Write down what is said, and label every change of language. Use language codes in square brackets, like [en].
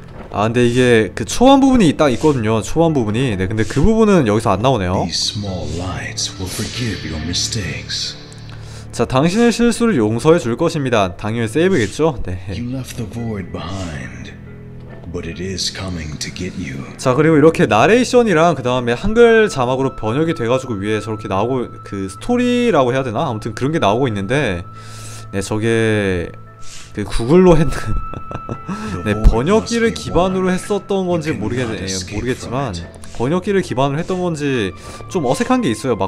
[ko] 아 근데 이게 그 초반 부분이 딱 있거든요. 초반 부분이 네 근데 그 부분은 여기서 안 나오네요. [en] These small lights will forgive your mistakes. [ko] 자 당신의 실수를 용서해 줄 것입니다. 당연히 세이브겠죠. 네. [en] You left the void behind, but it is coming to get you. [ko] 자 그리고 이렇게 나레이션이랑 그 다음에 한글 자막으로 번역이 돼가지고 위에 저렇게 나오고 그 스토리라고 해야 되나 아무튼 그런 게 나오고 있는데 네 저게 그 구글로 했는 네 번역기를 기반으로 했었던 건지 모르겠지만 번역기를 기반으로 했던 건지 좀 어색한 게 있어요.